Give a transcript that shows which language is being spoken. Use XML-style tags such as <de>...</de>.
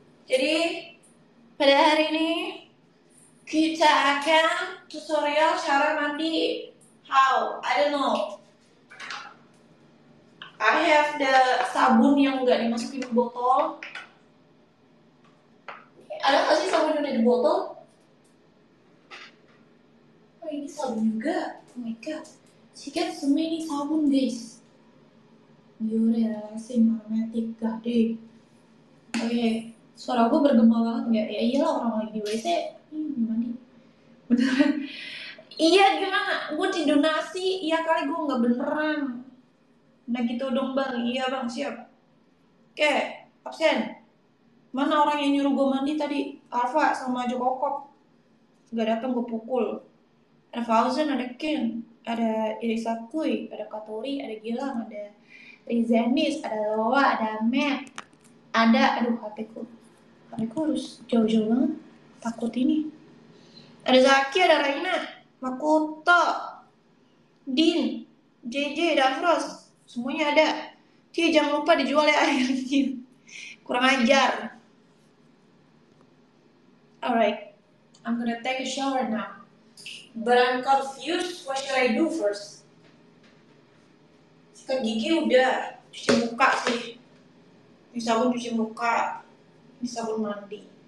<id>Jadi, pada hari ini kita akan tutorial cara mandi.</id> <en>How? I don't know. I have the</en> <id>sabun yang gak dimasukin ke botol. Ada gak sih sabun yang ada di botol? Oh, ini sabun juga.</id> <en>Oh my god, she got so many sabun, guys.</en> <id>Yore, sih, magnetic gak deh. Oke, okay. Suara gue bergema banget gak? Ya iyalah, orang lagi di WC. Gimana? Beneran? Iya, gimana? Gue di donasi, iya kali gue gak beneran. Nah gitu dong bang, iya bang, siap. Oke, absen. Mana orang yang nyuruh gue mandi tadi? Alfa sama Joko Kop. Gak dateng gue pukul. Ada Fauzan, ada Kim, ada Irisa Kui, ada Katori, ada Gilang, ada Rizanis, ada Loa, ada Matt. Ada, aduh HPku. HPku harus jauh-jauh banget. Takut ini. Ada Zaki, ada Raina, Makoto, Din, JJ, Davros. Semuanya ada. Ti, jangan lupa dijual ya akhirnya. Kurang ajar.</id> <en>Alright. I'm gonna take a shower now. But I'm confused. What should I do first?</en> <id>Sikat gigi udah. Cuci muka sih. Ini sabun cuci muka. Ini sabun mandi.</id>